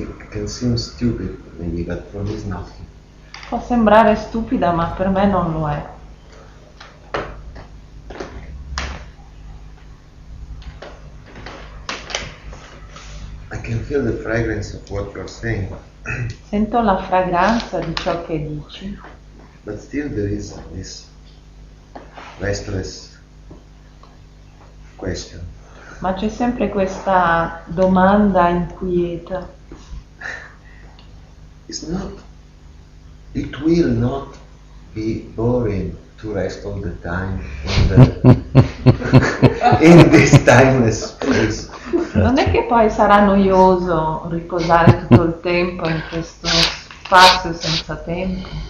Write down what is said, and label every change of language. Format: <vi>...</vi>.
<en>Can seem stupid maybe, but for me it's nothing.</en> <it>Può sembrare stupida, ma per me non lo è.</it> <en>I can feel the fragrance of what you're saying.</en> <it>Sento la fragranza di ciò che dici.</it> <en>But still there is this restless question.</en> <it>Ma c'è sempre questa domanda inquieta.</it> <en>It will not be boring to rest all the time in this timeless space.</en> <it>Non è che poi sarà noioso riposare tutto il tempo in questo spazio senza tempo.</it>